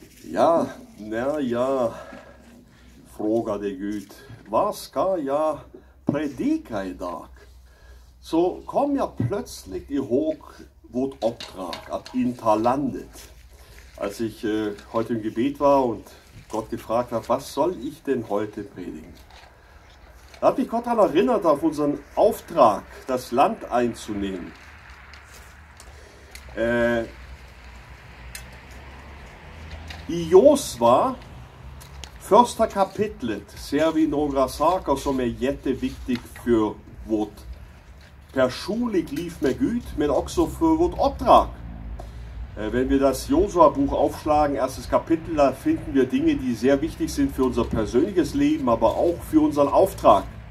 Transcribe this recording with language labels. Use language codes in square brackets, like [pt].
[sv] Ja, na ja, fråga de Gud, vad ska jag predika idag? Så kom jag plötsligt ihåg vårt uppdrag att inta landet. [de] Als ich heute im Gebet war und Gott gefragt habe, was soll ich denn heute predigen? Da hat mich Gott daran erinnert, auf unseren Auftrag, das Land einzunehmen. [sv] Josua, första kapitlet, ser vi några saker som är jätteviktiga för vårt personliga liv med Gud, men också för vårt uppdrag. [de] Wenn wir das Josua-Buch aufschlagen, erstes Kapitel, da finden wir Dinge, die sehr wichtig sind für unser persönliches Leben, aber auch für unseren Auftrag.